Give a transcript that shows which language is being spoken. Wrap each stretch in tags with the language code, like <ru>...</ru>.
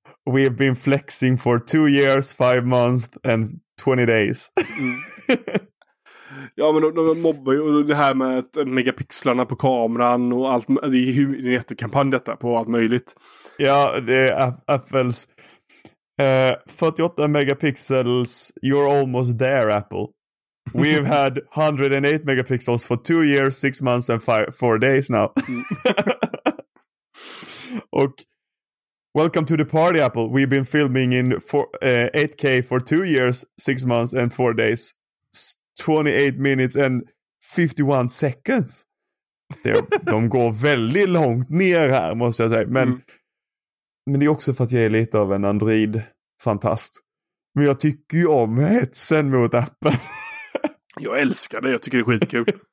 <en>We have been flexing for 2 years, 5 months and 20 days.</en> <sv>Ja, men de mobbar ju det här med att megapixlarna på kameran och allt. Det är ju en jättekampanj detta på allt möjligt. Ja, det är Apples 48 megapixels,</sv> <en>you're almost there, Apple. We've had 108 megapixels for 2 years, 6 months and 4 days now.</en> <sv>Och</sv> <en>welcome to the party, Apple. We've been filming in 8K for 2 years, 6 months and 4 days. 28 minutes and 51 seconds.</en> <sv>De går väldigt långt ner här, måste jag säga. Men det är också för att jag är lite av en Android-fantast. Men jag tycker ju om hetsen mot Apple. Jag älskar det. Jag tycker det är skitkul.</sv>